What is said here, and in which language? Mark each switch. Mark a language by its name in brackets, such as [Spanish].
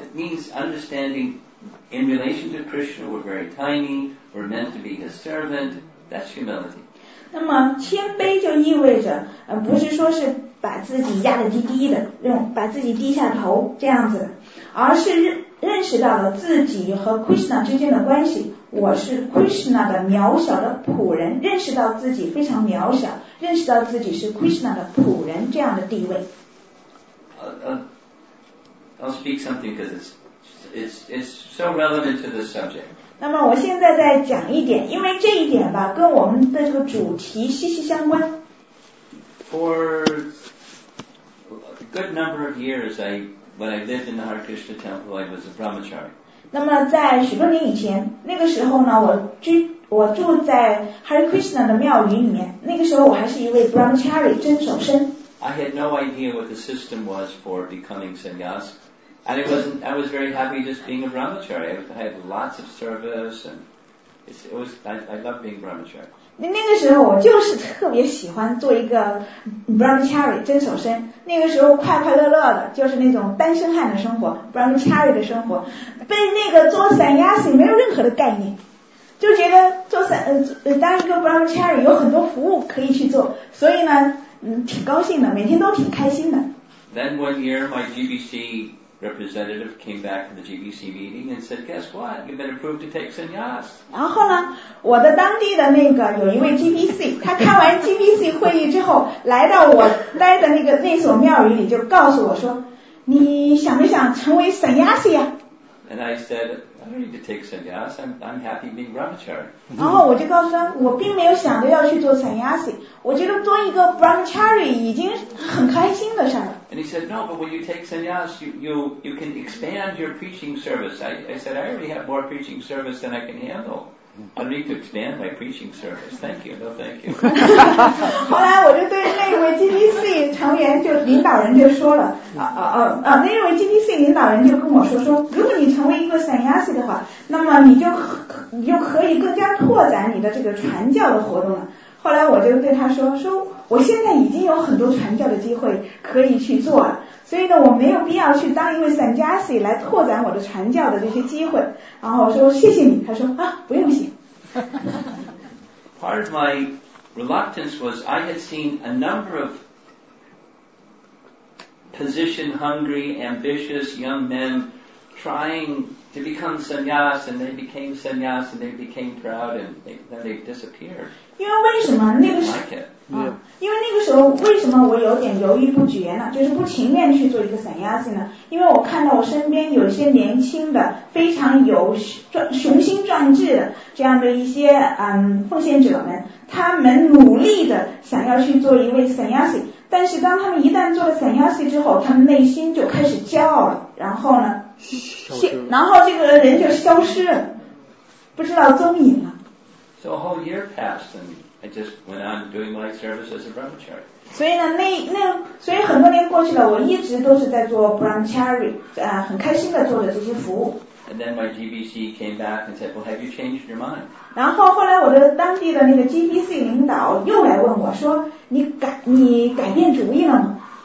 [English] It means understanding in relation to Krishna, we're very tiny, we're meant to be his servant. That's humility. [Chinese] 那么谦卑就意味着，不是说是把自己压得低低的，把自己低下头这样子，而是认识到了自己和 Krishna 之间的关系。我是 Krishna 的渺小的仆人，认识到自己非常渺小，认识到自己是 Krishna 的仆人这样的地位。 [English] I'll speak something because it's so relevant to this subject. [Chinese] 那么我现在再讲一点，因为这一点吧，跟我们的这个主题息息相关。 [English] For a good number of years, when I lived in the Hare Krishna temple, I was a brahmachari. [Chinese] 那么在许多年以前，那个时候呢，我住在 Hare Krishna 的庙宇里面，那个时候我还是一位 brahmachari 真守身。 [English] I had no idea what the system was for becoming sannyas. And I was very happy just being a brahmachari. I had lots of service and I loved being brahmachari. [Chinese] 那个时候我就是特别喜欢做一个 brahmachari, 真守身。那个时候快快乐乐的就是那种单身汉的生活 ,brahmachari 的生活。被那个做 sannyas 也没有任何的概念。就觉得做当一个 brahmachari 有很多服务可以去做。所以呢挺高兴的，每天都挺开心的。 [English] Then one year, my GBC representative came back from the GBC meeting and said, "Guess what? You've been approved to take sannyas." [Chinese] 然后呢，我的当地的那个有一位 GBC， 他开完 GBC 会议之后，来到我待的那个那所庙宇里，就告诉我说，你想不想成为 sannyas 呀？ [English] And I said. I don't need to take sannyas. I'm happy being brahmachari. [Chinese] 然后我就告诉他，我并没有想着要去做 sannyasi. 我觉得做一个 brahmachari 已经很开心的事了。 [English] And he said, "No, but when you take sannyas, you can expand your preaching service." I said, "I already have more preaching service than I can handle." I need to expand my preaching service. Thank you. No, thank you. [Chinese] 后来我就对那位 GPC 成员就领导人就说了，那位 GPC 领导人就跟我说，如果你成为一个 Sanyasi 的话，那么你就可以更加拓展你的这个传教的活动了。后来我就对他说，我现在已经有很多传教的机会可以去做了，所以呢，我没有必要去当一位 Sanyasi 来拓展我的传教的这些机会。然后我说谢谢你，他说啊，不用谢。 [English] Part of my reluctance was I had seen a number of position hungry, ambitious young men trying to become Sanyas, and they became Sanyas, and they became proud, and then they disappeared. [Chinese] 因为为什么那个时候？ [English] Like it. Yeah. [Chinese] 因为那个时候为什么我有点犹豫不决呢？就是不情愿去做一个Sanyasi呢？因为我看到我身边有些年轻的、非常有雄心壮志的这样的一些奉献者们，他们努力的想要去做一位Sanyasi，但是当他们一旦做了Sanyasi之后，他们内心就开始骄傲了，然后呢？然后这个人就消失了，不知道踪影了。 [English] So a whole year passed, and I just went on doing my service as a brahmachari. [Chinese] 所以呢，所以很多年过去了，我一直都是在做 brahmachari， 很开心的做着这些服务。 [English] And then my GBC came back and said, "Well, have you changed your mind?" [Chinese] 然后后来我的当地的那个 GBC 领导又来问我说，你改变主意了吗？